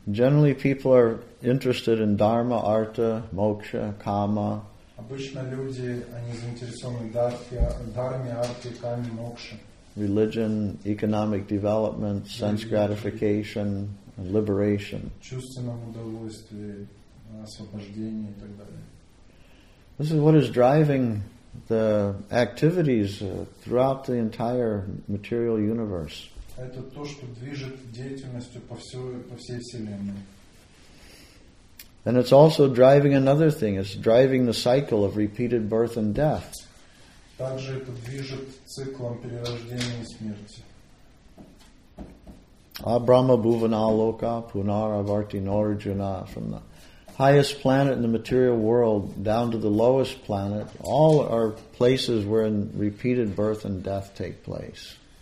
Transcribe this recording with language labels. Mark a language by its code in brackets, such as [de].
[en] Generally, people are interested in dharma, artha, moksha, kama. [ru] Обычно люди, они заинтересованы дхарме, арте, каме, мокше. [en] Religion, economic development, sense gratification, and liberation. [ru] Чувственное удовольствие, освобождение и так далее. [en] This is what is driving the activities throughout the entire material universe. [ru] Это то, что движет деятельностью по всей вселенной. [en] And it's also driving another thing. It's driving the cycle of repeated birth and death. [ru] Также это движет циклом перерождения и смерти. [sa] Абрама Бувана Лока Пунара Варти Норджуна, [en] from the highest planet in the material world down to the lowest planet, all are places where repeated birth and death take place.